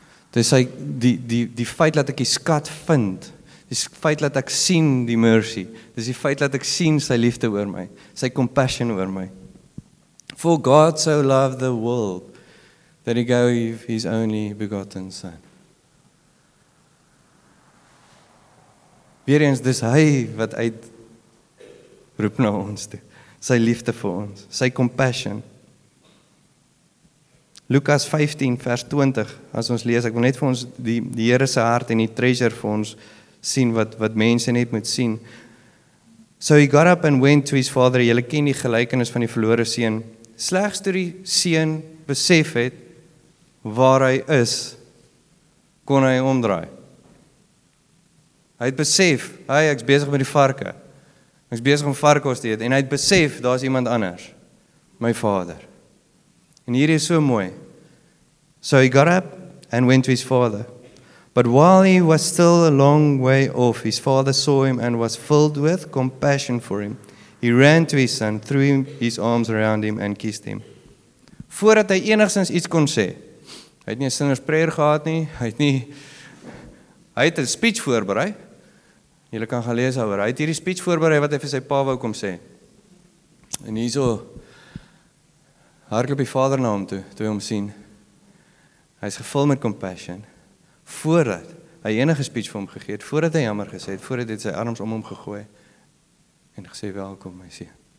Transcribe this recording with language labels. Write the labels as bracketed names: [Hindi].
[Afrikaans] Dis sy, die feit dat ek die skat vind, dis die feit dat ek sien die mercy, dis die feit dat ek sien sy liefde oor my, sy compassion oor my. [English] For God so loved the world, that he gave his only begotten son. [Afrikaans] Weer eens, dis hy wat uitroep na ons toe, sy liefde vir ons, sy compassion. Lukas 15 vers 20, as ons lees, ek wil net vir ons die Here se hart en die treasure vir ons sien, wat mense net moet sien. [English] So he got up and went to his father, [Afrikaans] jylle ken die gelykenis van die verlore seun, slegs toe die seun besef het, waar hy is, kon hy omdraai. Hy het besef, hy, ek is bezig met die varke, ek is bezig om varkos te eet, en hy het besef, daar is iemand anders, my vader. En hier is so mooi. [English] So he got up and went to his father. But while he was still a long way off, his father saw him and was filled with compassion for him. He ran to his son, threw his arms around him and kissed him. [Afrikaans] Voordat hy enigszins iets kon sê, hy het nie een sinners prayer gehad nie, hy het een speech voorberei. Julle kan gaan lees over, hy het hierdie speech voorberei wat hy vir sy pa wou kom sê. En hier so, hardloop die vader na hom toe, toe hy hom sien. Hy is gevul met compassion, voordat hy enige speech vir hom gegeet, voordat hy jammer gesê het, voordat hy sy arms om hom gegooi, en gesê, welkom my seun.